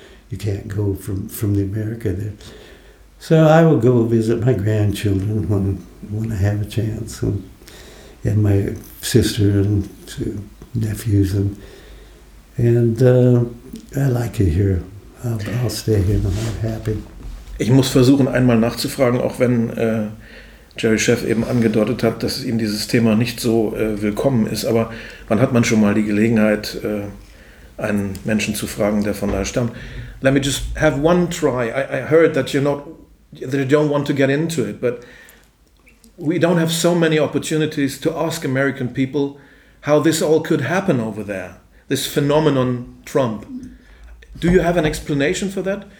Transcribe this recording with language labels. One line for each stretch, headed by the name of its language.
English: You can't go from the America there. So I will go visit my grandchildren when I have a chance, and my sister and two nephews and. And I like it here. I'll stay here and I'm happy.
German: Ich muss versuchen, einmal nachzufragen, auch wenn Jerry Sheff eben angedeutet hat, dass ihm dieses Thema nicht so willkommen ist. Aber wann hat man schon mal die Gelegenheit, einen Menschen zu fragen, der von da stammt?
English: Let me just have one try. I heard that that you don't want to get into it, but we don't have so many opportunities to ask American people how this all could happen over there. This phenomenon, Trump. Do you have an explanation for that?